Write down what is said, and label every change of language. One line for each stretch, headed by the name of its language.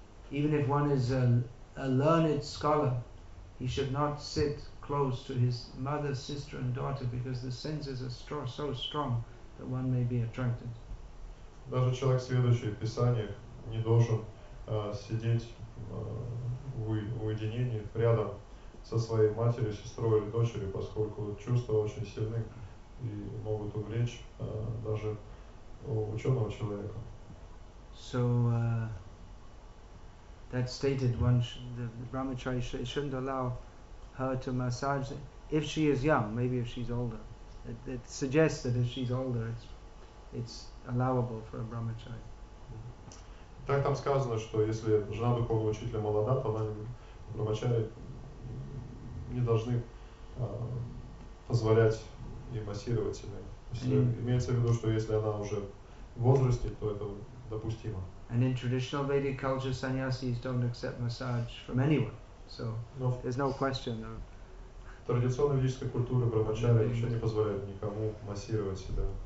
English: Even if one is a learned scholar, he should not sit close to his mother, sister, and daughter because the senses are so strong that one may be attracted.
Russian: Даже человек, следующий в Писаниях, не должен сидеть в уединении рядом со своей матерью, сестрой или дочерью, поскольку чувства очень сильны и могут увлечь даже ученого человека.
English: So that stated one, the Brahmacharya shouldn't allow her to massage if she is young, maybe if she's older. It suggests that if she's older, it's allowable for a Brahmacharya.
Russian: Так там сказано, что если жена духовного учителя молода, то она брахмачари не должны позволять ей массировать себя. Имеется в виду, что если она уже в возрасте, то это допустимо.
English: And in traditional Vedic culture, sannyasis don't accept massage from anyone. So there's no question of...
Russian: В традиционной ведической культуре брахмачари вообще не позволяют никому массировать себя.